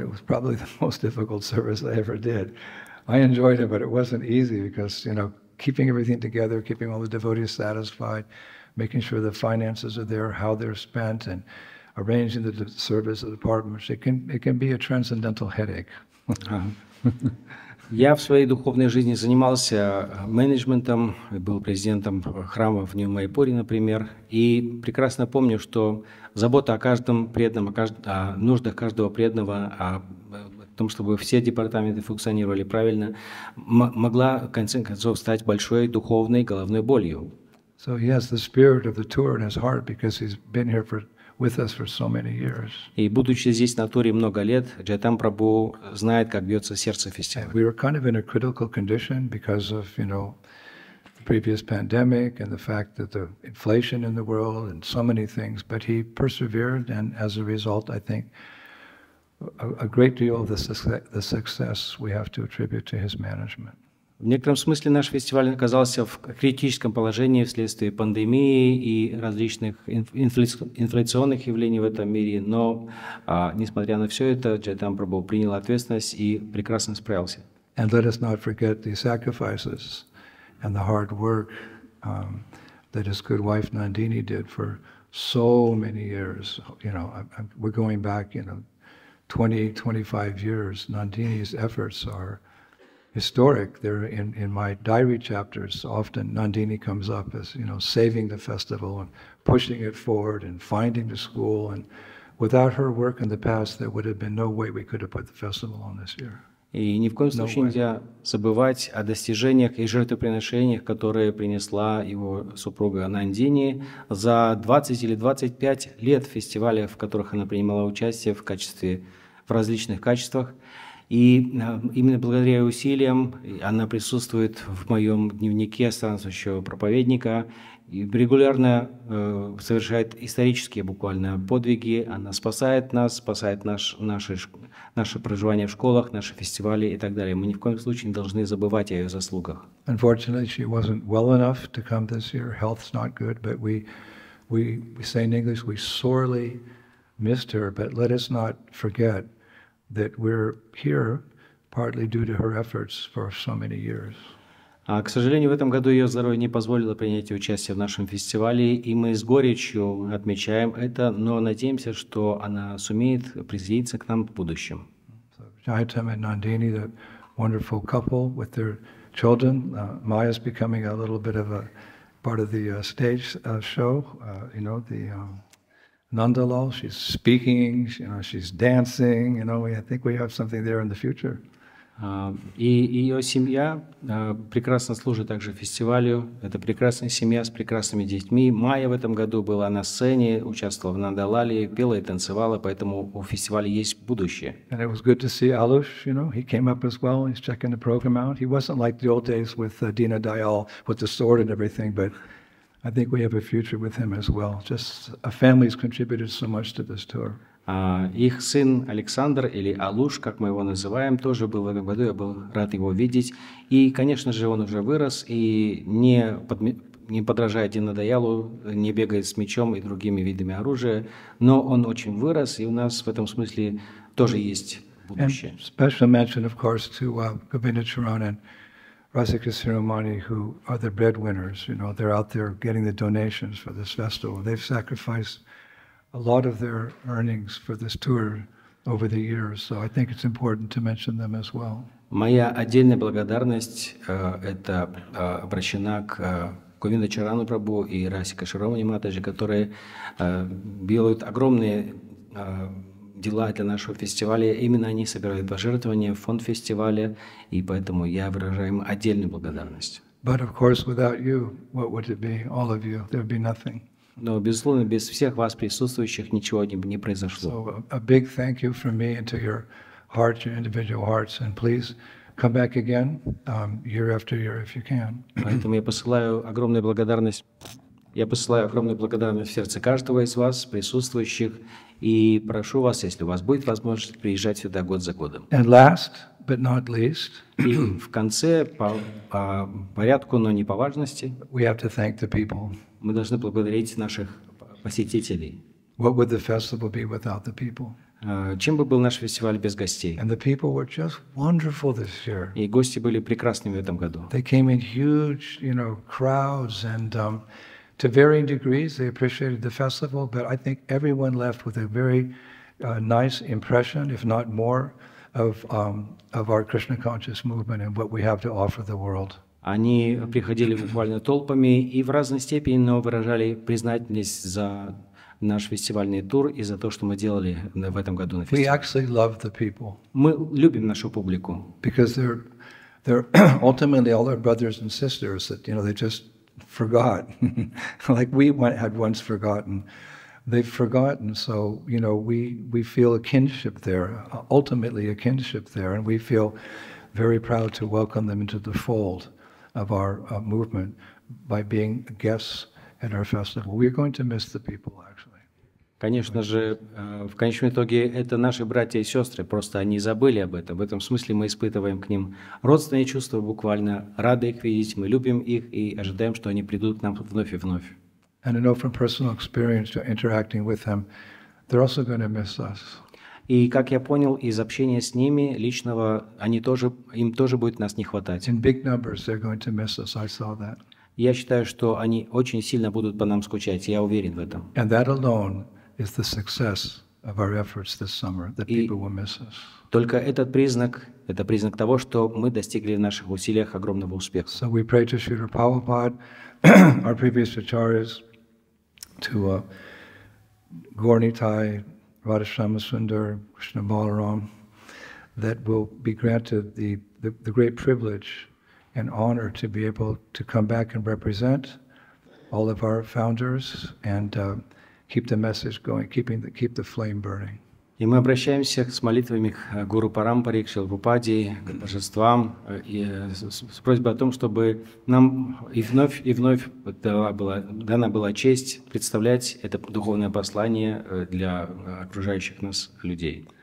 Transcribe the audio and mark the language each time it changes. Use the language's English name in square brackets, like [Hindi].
[English] It was probably the most difficult service I ever did. I enjoyed it, but it wasn't easy because, you know, keeping everything together, keeping all the devotees satisfied, making sure the finances are there, how they're spent, and arranging the service of the departments, it can be a transcendental headache. [Russian] Я в своей духовной жизни занимался менеджментом, был президентом храма в Нью-Майпуре, например, и прекрасно помню, что забота о каждом преданном, о нуждах каждого преданного, о том, чтобы все департаменты функционировали правильно, могла, в конце концов, стать большой духовной головной болью. [English] So he has the spirit of the tour in his heart because he's been here with us for so many years. [Russian] И будучи здесь на туре много лет, Джайтам Прабху знает, как бьется сердце фестиваля. [English] We were kind of in a critical condition because of, you know, the previous pandemic and the fact that the inflation in the world and so many things, but he persevered and as a result, I think, a great deal of the success we have to attribute to his management. [Russian] В некотором смысле наш фестиваль оказался в критическом положении вследствие пандемии и различных инфляционных явлений в этом мире, но несмотря на все это, Джайтам Прабху принял ответственность и прекрасно справился. [English] And let us not forget the sacrifices and the hard work that his good wife Nandini did for so many years. You know, we're going back, you know, 20-25 years. Nandini's efforts are historic. They're in my diary chapters. Often Nandini comes up as, you know, saving the festival and pushing it forward and finding the school. And without her work in the past, there would have been no way we could have put the festival on this year. [Russian] И ни в коем случае нельзя забывать о достижениях и жертвоприношениях, которые принесла его супруга Нандини за 20 или 25 лет фестиваля, в которых она принимала участие в различных качествах. И именно благодаря ее усилиям она присутствует в моем дневнике странствующего проповедника и регулярно совершает исторические буквально подвиги. Она спасает нас, спасает наше проживание в школах, наши фестивали и так далее. Мы ни в коем случае не должны забывать о ее заслугах. [English] Unfortunately, she wasn't well enough to come this year. Health's not good, but we say in English, we sorely missed her, but let us not forget that we're here partly due to her efforts for so many years. [Russian] К сожалению, в этом году ее здоровье не позволило принять участие в нашем фестивале, и мы с горечью отмечаем это, но надеемся, что она сумеет присоединиться к нам в будущем. [English] Jayatam and Nandini, the wonderful couple with their children. Maya's becoming a little bit of a part of the stage show, you know, the Nandalal, she's speaking, you know, she's dancing, you know, I think we have something there in the future. [Russian] И ее семья прекрасно служит также фестивалю. Это прекрасная семья с прекрасными детьми. Майя в этом году была на сцене, участвовала в Нандалале, пела и танцевала, поэтому у фестиваля есть будущее. [English] And it was good to see Alush, you know, he came up as well, he's checking the program out. He wasn't like the old days with Dina Dayal, with the sword and everything, but I think we have a future with him as well. Just a family's contributed so much to this tour. [Russian] Их сын Александр, или Алуш, как мы его называем, тоже был в этом году, я был рад его видеть. И, конечно же, он уже вырос, и не подражая Дина Даялу, не бегает с мечом и другими видами оружия, но он очень вырос, и у нас в этом смысле тоже есть будущее. [English] And special mention, of course, to Govinda Charan and Rasika Sirumani, who are the breadwinners, you know, they're out there getting the donations for this festival. They've sacrificed a lot of their earnings for this tour over the years, so I think it's important to mention them as well. [Russian] Моя отдельная благодарность это обращена к Говинда Чарану Прабху и Расика Широмани Матаджи, которые делают огромные дела для нашего фестиваля. Именно они собирают пожертвования в фонд фестиваля, и поэтому я выражаю им отдельную благодарность. [English] But of course, without you, what would it be? All of you, there would be nothing. [Russian] Но, безусловно, без всех вас присутствующих ничего не произошло. [English] So, a big thank you from me into your hearts, your individual hearts, and please come back again year after year if you can. [Russian] Поэтому я посылаю огромную благодарность в сердце каждого из вас присутствующих и прошу вас, если у вас будет возможность, приезжать сюда год за годом. [English] And last but not least, [Russian] и в конце по порядку, но не по важности, [English] we have to thank the people. [Russian] Мы должны поблагодарить наших посетителей. [English] What would the festival be without the people? [Russian] Чем бы был наш фестиваль без гостей? [English] And the people were just wonderful this year. [Russian] И гости были прекрасными в этом году. [English] They came in huge, you know, crowds, and to varying degrees they appreciated the festival, but I think everyone left with a very nice impression, if not more, of our Krishna conscious movement and what we have to offer the world. [Russian] Они приходили буквально толпами и в разной степени, но выражали признательность за наш фестивальный тур и за то, что мы делали в этом году на фестивале. [English] We actually love the people. [Russian] Мы любим нашу публику. [English] Because they're ultimately all our brothers and sisters that, you know, they just forgot. Like we had once forgotten. They've forgotten, so, you know, we feel a kinship there, ultimately a kinship there, and we feel very proud to welcome them into the fold of our movement by being guests at our festival. We're going to miss the people, actually. [Russian] Конечно же, в конечном итоге это наши братья и сестры, просто они забыли об этом. В этом смысле мы испытываем к ним родственные чувства, буквально рады их видеть, мы любим их и ожидаем, что они придут к нам вновь и вновь. [English] And I know from personal experience interacting with them, they're also going to miss us. [Russian] И, как я понял, из общения с ними личного, им тоже будет нас не хватать. [English] In big numbers, they're going to miss us. I saw that. [Russian] Я считаю, что они очень сильно будут по нам скучать. Я уверен в этом. [English] And that alone is the success of our efforts this summer, that people will miss us. [Russian] Только этот признак, это признак того, что мы достигли в наших усилиях огромного успеха. [English] So we pray to Srila Prabhupada, our previous acharyas, to Gornitai, Radhashyama Sundar, Krishna Balaram, that will be granted the great privilege and honor to be able to come back and represent all of our founders and keep the message going, keep the flame burning. [Russian] И мы обращаемся с молитвами к Гуру Парампаре, к Шрила Прабхупаде, к божествам, и с просьбой о том, чтобы нам и вновь дана была честь представлять это духовное послание для окружающих нас людей.